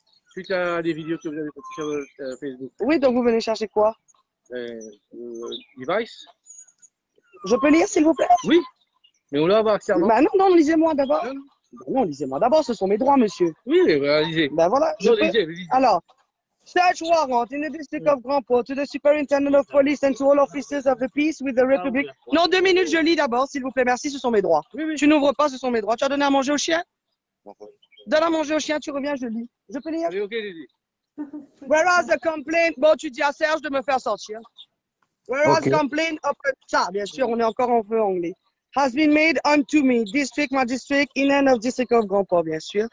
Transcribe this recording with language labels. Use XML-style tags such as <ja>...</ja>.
<fr>Suite à des vidéos que vous avez postées sur Facebook. Oui, donc vous venez chercher quoi?</fr> <en>Device.</en> <fr>Je peux lire, s'il vous plaît? Oui. Mais où là, on va accéder? Ben non, non, lisez-moi d'abord. Ben non, lisez-moi d'abord, ce sont mes droits, monsieur. Oui, lisez. Ben voilà. Non, lisez, lisez. Alors.</fr> <en>Search warrant in the district of Grand Port to the superintendent of police and to all officers of the peace with the republic.</en> <fr>Non, deux minutes, je lis d'abord, s'il vous plaît. Merci, ce sont mes droits. Oui, oui. Tu n'ouvres pas, ce sont mes droits. Tu as donné à manger au chien? Donne à manger au chien, tu reviens, je lis. Je peux lire? Oui, ok, Lily.</fr> <en>Whereas the complaint,</en> <fr>bon, tu dis à Serge de me faire sortir.</fr> <en>Whereas okay.</en> <fr>Complaint, ça, bien sûr, on est encore en feu anglais.</fr> <en>Has been made unto me, district, magistrate, in and of district of Grand Port,</en> <fr>bien sûr.</fr>